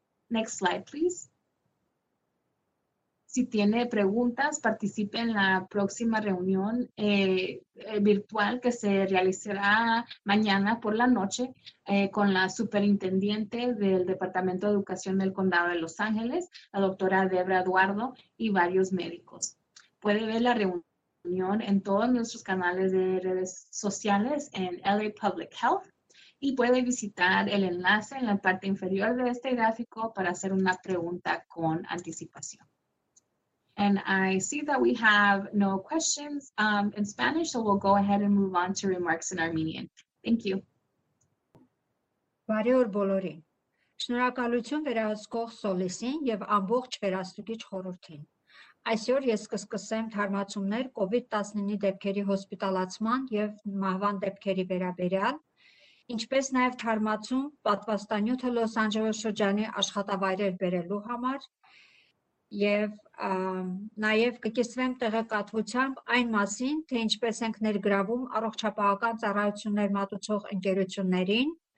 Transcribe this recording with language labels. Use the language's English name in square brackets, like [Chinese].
[English] Next slide, please. [Spanish] Si tiene preguntas, participe en la próxima reunión virtual que se realizará mañana por la noche con la superintendente del Departamento de Educación del Condado de Los Ángeles, la doctora Debra Eduardo y varios médicos. Puede ver la reunión. reunión en todos nuestros canales de redes sociales en LA Public Health y puede visitar el enlace en la parte inferior de este gráfico para hacer una pregunta con anticipación. [English] And I see that we have no questions in Spanish, so we'll go ahead and move on to remarks in Armenian. Thank you. [Armenian] Բարեօր բոլորին. Շնորհակալություն վերահսկող Սոլիսին եւ ամբողջ վերահսկիչ խորհրդին. Այսօր ես կսկսեմ թարմացումներ COVID-19-ի դեպքերի հոսպիտալացման եւ մահվան դեպքերի վերաբերյալ, ինչպես նաեւ թարմացում պատվաստանյութը Լոս Անջելես շրջանի աշխատավայրեր բերելու համար եւ նաեւ կկիսվեմ տեղեկատվությամբ այն մասին, թե ինչպես ենք ներգրավում առողջապահական ծառայություններ մատուցող ընկերություններին